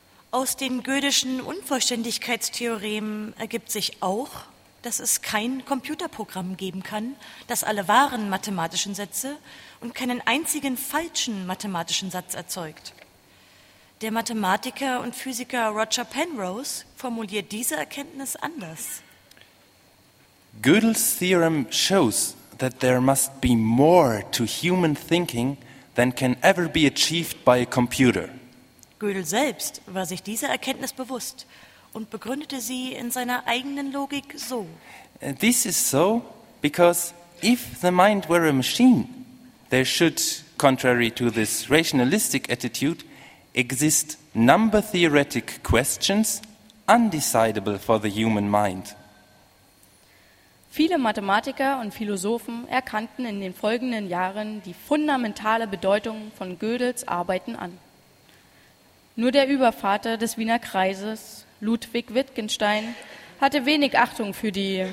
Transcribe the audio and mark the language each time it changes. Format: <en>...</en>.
<de>Aus den Gödelschen Unvollständigkeitstheoremen ergibt sich auch, dass es kein Computerprogramm geben kann, das alle wahren mathematischen Sätze und keinen einzigen falschen mathematischen Satz erzeugt. Der Mathematiker und Physiker Roger Penrose formuliert diese Erkenntnis anders.</de> <en>Gödel's theorem shows that there must be more to human thinking than can ever be achieved by a computer.</en> <de>Gödel selbst war sich dieser Erkenntnis bewusst und begründete sie in seiner eigenen Logik so:</de> <en>This is so because if the mind were a machine, there should, contrary to this rationalistic attitude, exist number theoretic questions undecidable for the human mind.</en> <de>Viele Mathematiker und Philosophen erkannten in den folgenden Jahren die fundamentale Bedeutung von Gödels Arbeiten an. Nur der Übervater des Wiener Kreises, Ludwig Wittgenstein, hatte wenig Achtung für die</de>